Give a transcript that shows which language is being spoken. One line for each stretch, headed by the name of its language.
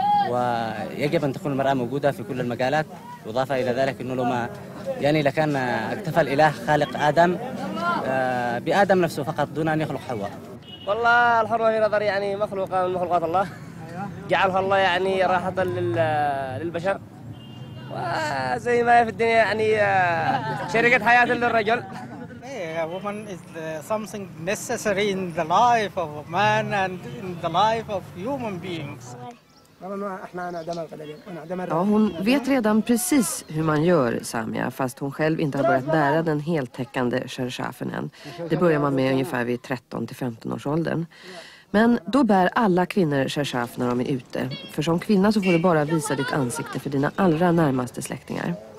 Arabic: ويجب أن تكون المرأة موجودة في كل المجالات وإضافة إلى ذلك أنه لما يعني لكان اكتفى الإله خالق آدم بآدم نفسه فقط دون أن يخلق حواء والله الحرة في نظر يعني مخلوقة من مخلوقات الله جعلها الله يعني راحة للبشر وزي ما في الدنيا يعني شركة حياة للرجل.
English: Yeah, woman is something necessary in the life of a man and in the life of human beings.
Swedish: Ja, hon vet redan precis hur man gör, Samia, fast hon själv inte har börjat bära den heltäckande sherchafen än. Det börjar man med ungefär vid 13-15 års åldern. Men då bär alla kvinnor sherchaf när de är ute. För som kvinna så får du bara visa ditt ansikte för dina allra närmaste släktingar.